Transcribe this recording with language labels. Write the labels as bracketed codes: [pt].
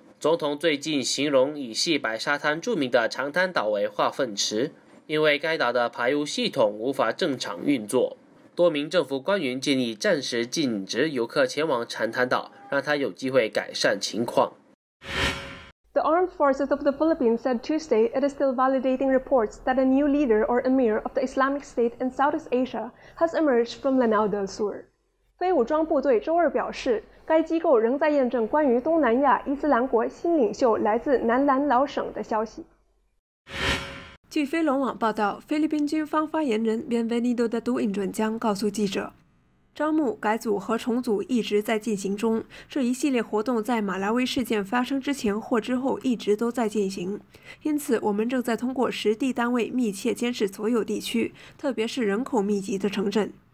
[zh] 总统最近形容以细白沙滩著名的长滩岛为化粪池，因为该岛的排污系统无法正常运作。多名政府官员建议暂时禁止游客前往长滩岛，让他有机会改善情况。 [en] The Armed Forces of the Philippines said Tuesday it is still validating reports that a new leader or emir of the Islamic State in Southeast Asia has emerged from Lanao del Sur. [zh] 非武装部队周二表示，该机构仍在验证关于东南亚伊斯兰国新领袖来自南兰老省的消息。据飞龙网报道，菲律宾军方发言人 Bienvenido de Duin 准将告诉记者，招募、改组和重组一直在进行中，这一系列活动在马拉维事件发生之前或之后一直都在进行，因此我们正在通过实地单位密切监视所有地区，特别是人口密集的城镇。